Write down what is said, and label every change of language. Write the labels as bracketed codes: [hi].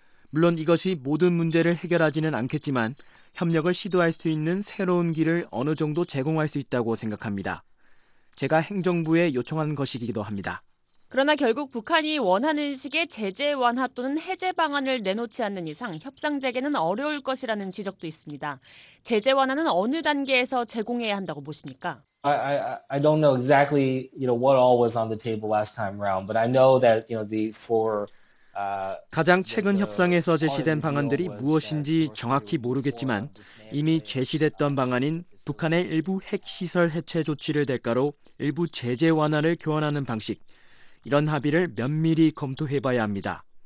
[ko] 물론 이것이 모든 문제를 해결하지는 않겠지만 협력을 시도할 수 있는 새로운 길을 어느 정도 제공할 수 있다고 생각합니다. 제가 행정부에 요청한 것이기도 합니다. 그러나 결국 북한이 원하는 식의 제재 완화 또는 해제 방안을 내놓지 않는 이상 협상 재개는 어려울 것이라는 지적도 있습니다. 제재 완화는 어느 단계에서 제공해야 한다고 보십니까? [en] I don't know exactly, you know, what all was on the table last time around, but I know that, you know, the four [ko] 가장 최근 협상에서 제시된 방안들이 무엇인지 정확히 모르겠지만 이미 제시됐던 방안인 북한의 일부 핵 시설 해체 조치를 대가로 일부 제재 완화를 교환하는 방식 이런 합의를 면밀히 검토해봐야 합니다.